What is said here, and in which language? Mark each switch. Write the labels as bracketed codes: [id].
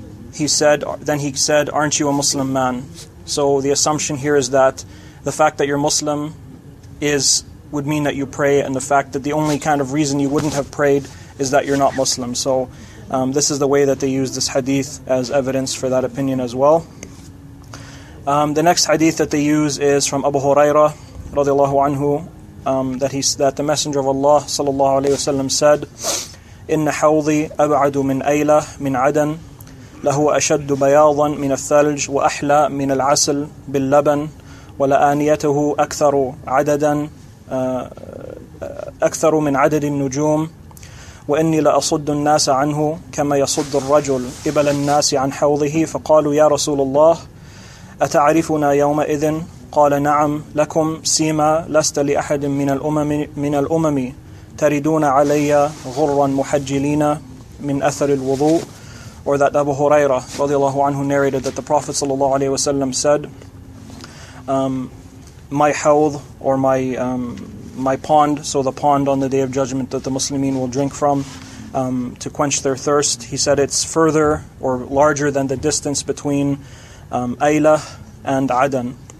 [en] Then he said, aren't you a Muslim man? So the assumption here is that the fact that you're Muslim would mean that you pray, and the fact that the only kind of reason you wouldn't have prayed is that you're not Muslim. So this is the way that they use this hadith as evidence for that opinion as well. The next hadith that they use is from Abu Huraira radiallahu anhu, that the Messenger of Allah sallallahu alayhi wa sallam said, [ar] إِنَّ حَوْضِي أَبْعَدُ مِنْ أَيْلَى مِنْ عَدَنْ لَهُ أَشَدُّ بَيَاضًا مِنَ الثَّلْجِ وَأَحْلَى مِنَ الْعَسَلِ بِاللَّبَنِ وَلَآنِيَتَهُ أَكْثَرُ عَدَدًا أَكْثَرُ مِنْ عَدَدِ النُّجُومِ وَإِنِّي لَأَصُدُّ النَّاسَ عَنْهُ كَمَا يَصُدُّ الرَّجُلُ إِبَلَ النَّاسِ عَنْ حَوْضِهِ فَقَالُوا يَا رَسُولَ اللَّهِ أَتَعْرِفُنَا يَوْمَئِذٍ قَالَ نَعَمْ لَكُمْ سِيمَا لَسْتَ لِأَحَدٍ مِنَ الْأُمَمِ تَرِدُونَ عَلَيَّ غُرًّا مُحَجِّلِينَ مِنْ أَثَرِ الْوُضُوءِ. [en] Or that Abu Huraira radiallahu anhu narrated that the Prophet sallallahu alaihi wasallam said, my hawd, or my pond, so the pond on the Day of Judgment that the Muslimin will drink from to quench their thirst, he said it's further or larger than the distance between Aylah and Adan.